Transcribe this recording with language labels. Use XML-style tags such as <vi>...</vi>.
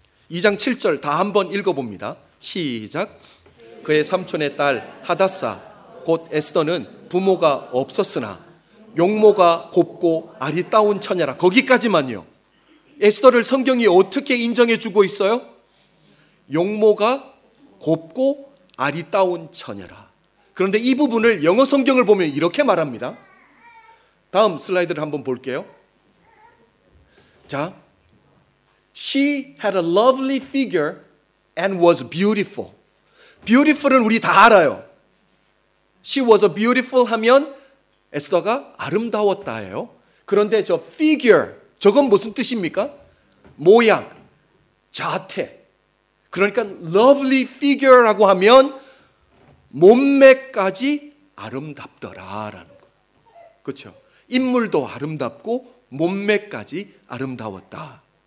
<ko>2장 7절 다 한번 읽어봅니다. 시작. 그의 삼촌의 딸 하닷사 곧 에스더는 부모가 없었으나 용모가 곱고 아리따운 처녀라. 거기까지만요. 에스더를 성경이 어떻게 인정해 주고 있어요? 용모가 곱고 아리따운 처녀라. 그런데 이 부분을 영어 성경을 보면 이렇게 말합니다. 다음 슬라이드를 한번 볼게요.</ko> <en>자, She had a lovely figure and was beautiful.</en> <ko>Beautiful은 우리 다 알아요.</ko> <en>She was a beautiful</en> <ko>하면 에스더가 아름다웠다예요. 그런데 저 figure, 저건 무슨 뜻입니까? 모양, 자태. 그러니까 lovely figure라고 하면 몸매까지 아름답더라라는 거. 그렇죠? 인물도 아름답고 몸매까지 아름다웠다.</ko>